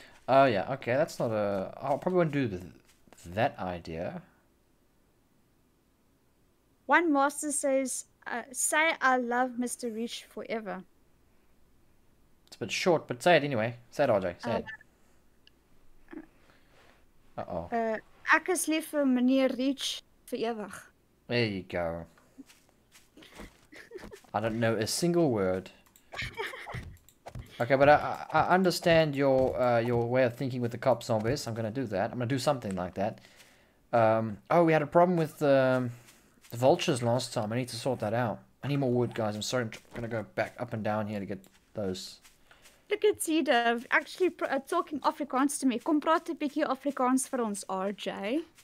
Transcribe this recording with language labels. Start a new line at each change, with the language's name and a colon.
English: Oh, yeah. Okay, that's not a... I probably won't do that idea. One master says, say I love Mr. Reach forever. It's a bit short, but say it anyway. Say it, RJ. Say it. Uh-oh.
Afrikaans: Ek is lief vir meneer Reach vir ewig.
English: There you go. I don't know a single word. Okay, but I understand your way of thinking with the cop zombies. I'm going to do that. I'm going to do something like that. We had a problem with the vultures last time. I need to sort that out. I need more wood, guys. I'm sorry. I'm going to go back up and down here to get those. Look at Z-Dev actually talking Afrikaans to me.
Afrikaans: Kom praat 'n bietjie Afrikaans vir ons, RJ.